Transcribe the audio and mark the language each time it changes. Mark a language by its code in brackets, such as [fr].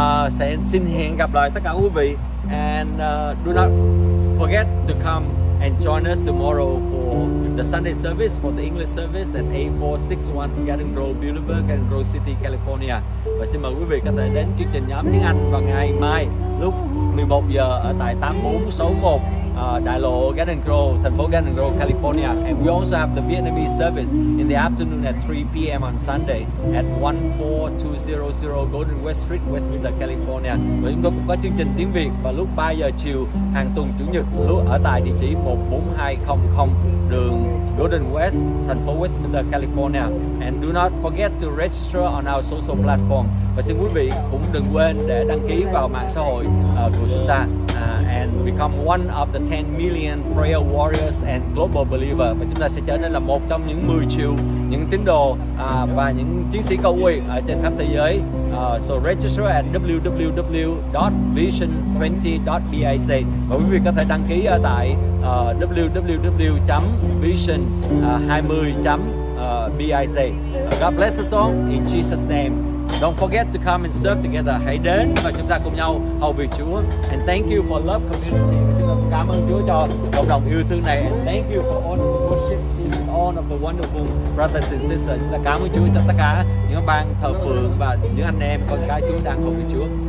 [vi] Sẽ xin hẹn gặp lại tất cả quý vị. [en] And do not forget to come and join us tomorrow for the Sunday service, for the English service at 8461 Garden Grove Boulevard, Garden Grove City, California. [vi] Và xin mời quý vị có thể đến chương trình nhóm tiếng Anh vào ngày mai lúc 11 giờ ở tại 8461 Đại lộ Garden Grove, thành phố Garden Grove, California. [en] And we also have the Vietnamese service in the afternoon at 3 p.m. on Sunday at 14200 Golden West Street, Westminster, California. [vi] Và chúng tôi cũng có chương trình tiếng Việt vào lúc 3 giờ chiều hàng tuần Chủ nhật lúc ở tại địa chỉ 14200 đường Golden West, thành phố Westminster, California. [en] And do not forget to register on our social platform. [vi] Và xin quý vị cũng đừng quên để đăng ký vào mạng xã hội của chúng ta. [en] And become one of the 10 million prayer warriors and global believer. [vi] Và chúng ta sẽ trở nên là một trong những 10 triệu những tín đồ và những chiến sĩ cầu nguyện ở trên khắp thế giới. [en] So register at www.vision20.bac. [vi] Và quý vị có thể đăng ký ở tại www.vision20.bac. [en] God bless us all in Jesus' name. Don't forget to come and serve together. [vi] Hãy đến và chúng ta cùng nhau hầu việc Chúa. [en] And thank you for love community. [vi] Chúng ta cảm ơn Chúa cho cộng đồng yêu thương này. [en] And thank you for all the worship team, all of the wonderful brothers and sisters. [vi] Chúng ta cảm ơn Chúa cho tất cả những ban thờ phượng và những anh em con cái Chúa đang hầu việc Chúa.